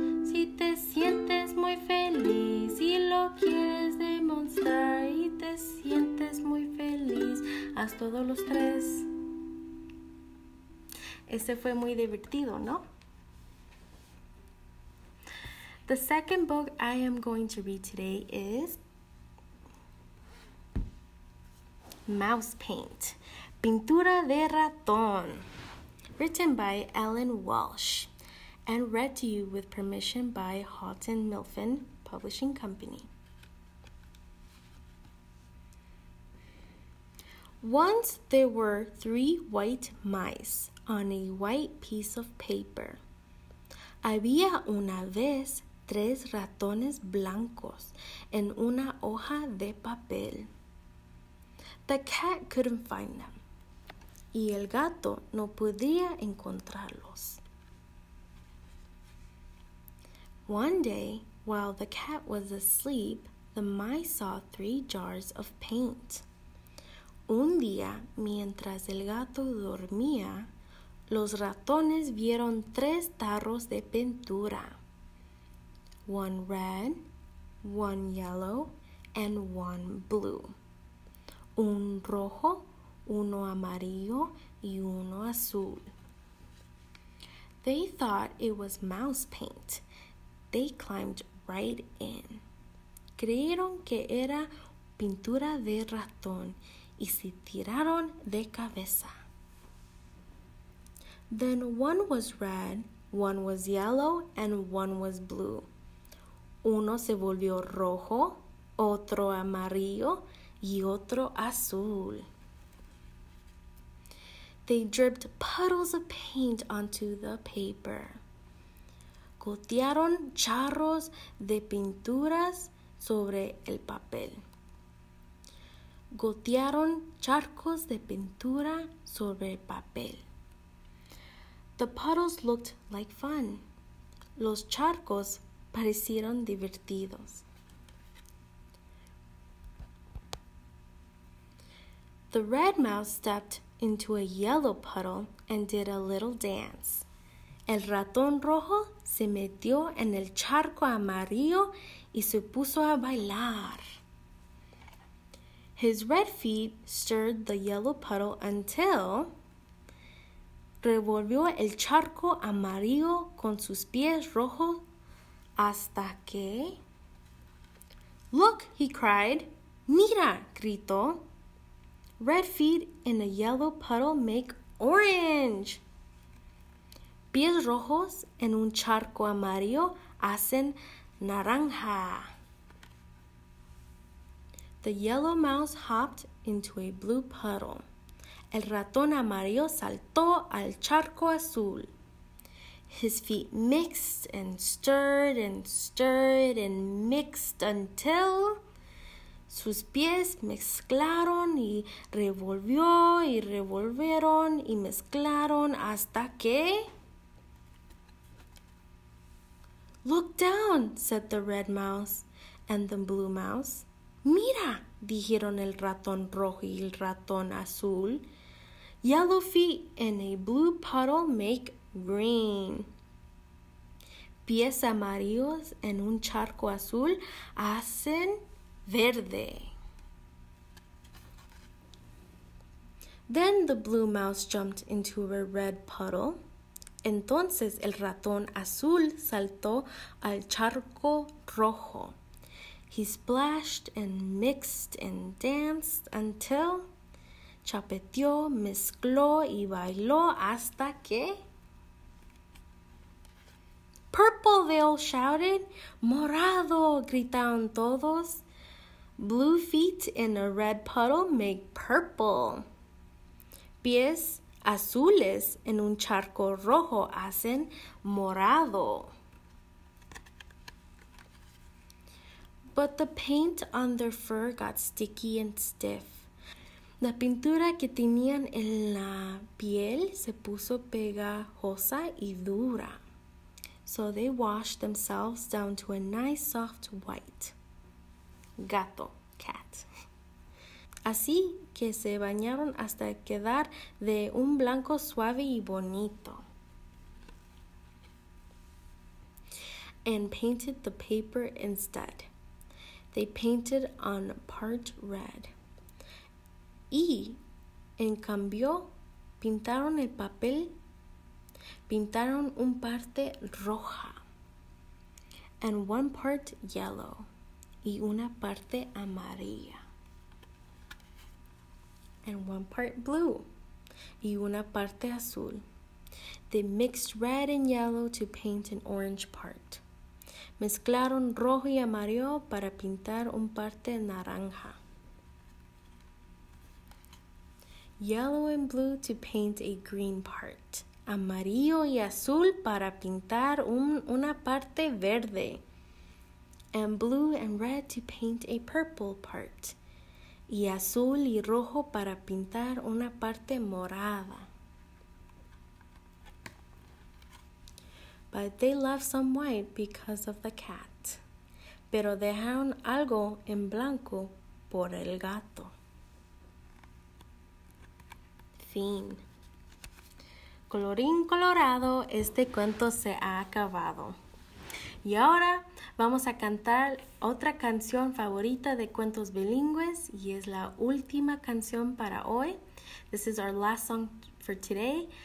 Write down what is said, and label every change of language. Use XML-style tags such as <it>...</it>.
<es>Si te sientes muy feliz y lo quieres demostrar, y te sientes muy feliz, haz todos los tres. Ese fue muy divertido, ¿no?</es> <en>The second book I am going to read today is Mouse Paint, Pintura de Ratón, written by Ellen Walsh and read to you with permission by Houghton Mifflin Publishing Company. Once there were three white mice on a white piece of paper.</en> <es>Había una vez tres ratones blancos en una hoja de papel.</es> <en>The cat couldn't find them.</en> <es>Y el gato no podía encontrarlos.</es> <en>One day, while the cat was asleep, the mice saw three jars of paint.</en> <es>Un día, mientras el gato dormía, los ratones vieron tres tarros de pintura.</es> <en>One red, one yellow, and one blue.</en> <es>Un rojo, uno amarillo, y uno azul.</es> <en>They thought it was mouse paint. They climbed right in.</en> <es>Creyeron que era pintura de ratón y se tiraron de cabeza.</es> <en>Then one was red, one was yellow, and one was blue.</en> <es>Uno se volvió rojo, otro amarillo, y otro azul.</es> <en>They dripped puddles of paint onto the paper.</en> <es>Gotearon charros de pinturas sobre el papel. Gotearon charcos de pintura sobre el papel.</es> <en>The puddles looked like fun.</en> <es>Los charcos parecieron divertidos.</es> <en>The red mouse stepped into a yellow puddle and did a little dance.</en> <es>El ratón rojo se metió en el charco amarillo y se puso a bailar.</es> <en>His red feet stirred the yellow puddle until</en> <es>revolvió el charco amarillo con sus pies rojos hasta que</es> <en>Look, he cried.</en> <es>Mira, gritó.</es> <en>Red feet in a yellow puddle make orange.</en> <es>Pies rojos en un charco amarillo hacen naranja.</es> <en>The yellow mouse hopped into a blue puddle.</en> <es>El ratón amarillo saltó al charco azul.</es> <en>His feet mixed and stirred and stirred and mixed until</en> <es>sus pies mezclaron y revolvió y revolvieron y mezclaron hasta que</es> <en>Look down, said the red mouse and the blue mouse.</en> <es>Mira, dijeron el ratón rojo y el ratón azul.</es> <en>Yellow feet in a blue puddle make green.</en> <es>Pies amarillos en un charco azul hacen verde.</es> <en>Then the blue mouse jumped into a red puddle.</en> <es>Entonces el ratón azul saltó al charco rojo.</es> <en>He splashed and mixed and danced until</en> <es>chapeteó, mezcló y bailó hasta que</es> <en>Purple, they all shouted.</en> <es>Morado, gritaron todos.</es> <en>Blue feet in a red puddle make purple.</en> <es>Pies azules en un charco rojo hacen morado.</es> <en>But the paint on their fur got sticky and stiff.</en> <es>La pintura que tenían en la piel se puso pegajosa y dura.</es> <en>So they washed themselves down to a nice soft white.</en> <es>Gato, cat. Así que se bañaron hasta quedar de un blanco suave y bonito.</es> <en>And painted the paper instead. They painted on part red.</en> <es>Y, en cambio, pintaron el papel, pintaron un parte roja.</es> <en>And one part yellow.</en> <es>Y una parte amarilla.</es> <en>And one part blue.</en> <es>Y una parte azul.</es> <en>They mixed red and yellow to paint an orange part.</en> <es>Mezclaron rojo y amarillo para pintar un parte naranja.</es> <en>Yellow and blue to paint a green part.</en> <es>Amarillo y azul para pintar una parte verde.</es> <en>And blue and red to paint a purple part.</en> <es>Y azul y rojo para pintar una parte morada.</es> <en>But they left some white because of the cat.</en> <es>Pero dejaron algo en blanco por el gato. Fin. Colorín colorado, este cuento se ha acabado. Y ahora vamos a cantar otra canción favorita de cuentos bilingües y es la última canción para hoy.</es> <en>This is our last song for today.</en>